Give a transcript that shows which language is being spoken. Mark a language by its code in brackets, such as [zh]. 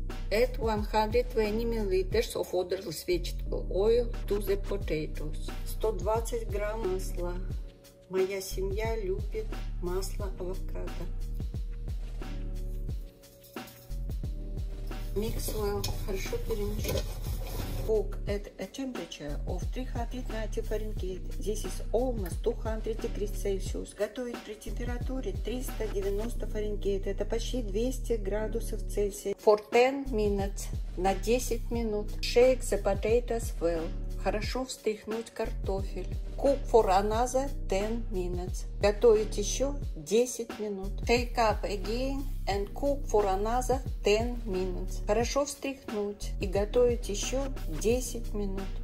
[en] Add 120 ml of odorless vegetable oil to the potatoes. [ru] 120 грамм масла. Моя семья любит масло авокадо. [en] Mix well. [ru] Хорошо перемешать. [en] Cook at a temperature of 390 Fahrenheit. This is almost 200 degrees Celsius. [ru] Готовить при температуре 390 Fahrenheit. Это почти 200 градусов Цельсия. [en] For 10 minutes. [ru] На 10 минут. [en] Shake the potatoes well. [ru] Хорошо встряхнуть картофель. [en] Cook for another 10 minutes. [ru] Готовить еще 10 минут. [en] Shake up again and cook for another 10 minutes. [ru] Хорошо встряхнуть и готовить еще 10 минут.